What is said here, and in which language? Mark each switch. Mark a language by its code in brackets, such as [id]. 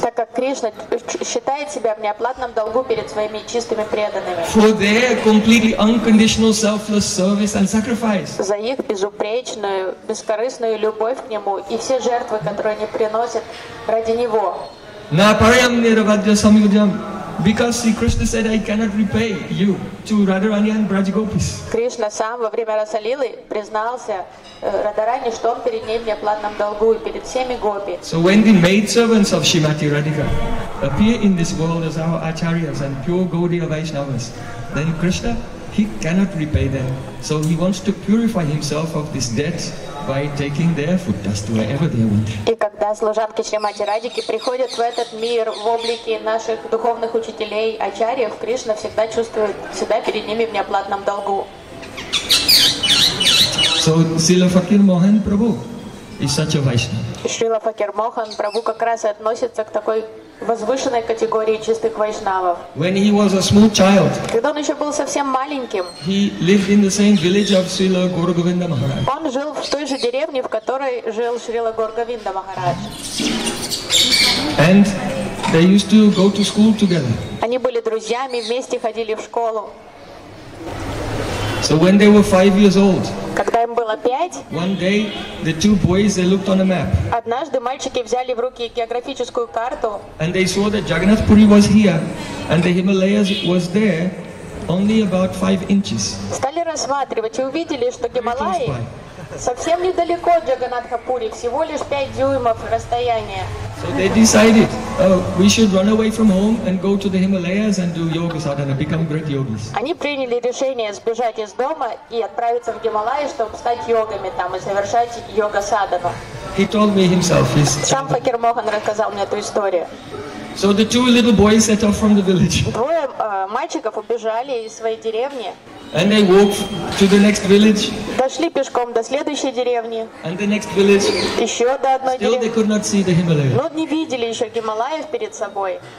[ru] Так как Кришна считает себя в неоплатном долгу перед своими чистыми преданными. [en] For their completely unconditional selfless service and sacrifice. [ru] За их безупречную, бескорыстную любовь к нему и все жертвы, которые они приносят ради него. [sa] На парьям нирабаджа самьюджам. [en] Because see, Krishna said, "I cannot repay you to Radharani and Brajagopis." [ru] Krishna сам во время Расалилы признался Радхарани, что он перед ней в неоплатном долгу и перед всеми гопи. [en] So when the maidservants of Shrimati Radhika appear in this world as our acharyas and pure Gaudiya Vaishnavas, then Krishna, he cannot repay them. So he wants to purify himself of this debt by taking their food dust wherever they want. [ru] И когда служанки Шримати Радики приходят в этот мир в облике наших духовных учителей, ачарьев, Кришна всегда чувствует себя перед ними в неоплатном долгу. [en] So Srila Fakir Mohan Prabhu is such a Vaishnava. [ru] Srila Fakir Mohan Prabhu как раз и относится к такой возвышенной категории чистых вайшнавов. [en] When he was a small child, [ru] когда он еще был совсем маленьким, [en] he lived in the same village of Srila Gaura Govinda Maharaj. [ru] Он жил в той же деревне, в которой жил Шрила Гаура Говинда Махарадж. [en] And they used to go to school together. [ru] Они были друзьями, вместе ходили в школу. [en] So when they were 5 years old, [ru] когда им было 5, [en] one day the two boys they looked on a map. [ru] Однажды мальчики взяли в руки географическую карту. [en] And they saw that Jagannath Puri was here, and the Himalayas was there, only about 5 inches. [ru] Стали рассматривать и увидели, что Гималаи совсем недалеко от Джаганатхапури, всего лишь 5 дюймов расстояния. [en] So they decided, we should run away from home and go to the Himalayas and do yoga sadhana, become great yogis. [ru] Они приняли решение сбежать из дома и отправиться в Гималаи, чтобы стать йогами там и совершать йога садхану. [en] He told me himself. [ru] Сам Факир Мохан рассказал мне эту историю. [en] So the two little boys set off from the village. [ru] Двое мальчиков убежали из своей деревни. [en] And they walked to the next village. [ru] Дошли пешком до следующей деревни. [en] And the next village. [ru] Еще до одной деревни. [en] Still they could not see the Himalayas. [ru] Но не видели еще Гималаев перед собой.